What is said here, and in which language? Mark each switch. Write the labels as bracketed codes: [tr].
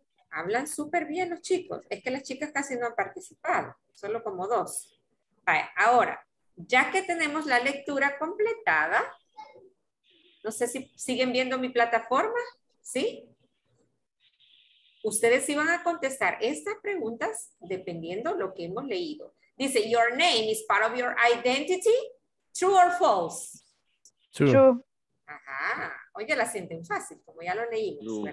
[es] Hablan súper bien los chicos. Es que las chicas casi no han participado, solo como dos. Vale, ahora, ya que tenemos la lectura completada, no sé si siguen viendo mi plataforma, ¿sí? Ustedes iban a contestar estas preguntas dependiendo lo que hemos leído. [en] Dice, your name is part of your identity, true or false? True. [es] Ajá, oye, la sienten fácil, como ya lo leímos, true.